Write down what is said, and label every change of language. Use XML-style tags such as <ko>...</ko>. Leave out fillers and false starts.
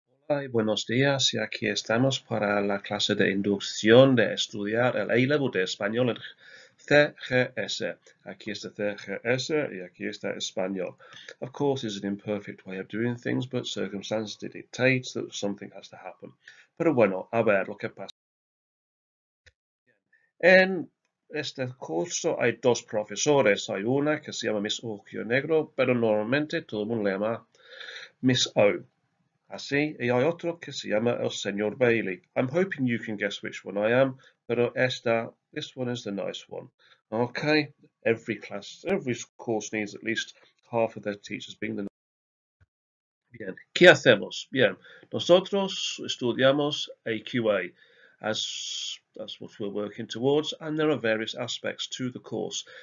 <es>Hola y buenos días, y aquí estamos para la clase de inducción de estudiar el A-Level de español, el CGS. Aquí está CGS y aquí está español.</es> <en>Of course, it's an imperfect way of doing things, but circumstances dictate that something has to happen.</en> <es>Pero bueno, a ver lo que pasa. En este curso hay dos profesores. Hay una que se llama Miss Ojo Negro, pero normalmente todo el mundo le llama Miss O. Así, y hay otro que se llama el señor Bailey.</es> <en>I'm hoping you can guess which one I am,</en> <es>pero esta,</es> <en>this one is the nice one. Okay, every course needs at least half of their teachers being the nice one.</en> <es>Bien, ¿qué hacemos? Bien, nosotros estudiamos</es> <en>AQA, as that's what we're working towards, and there are various aspects to the course.</en>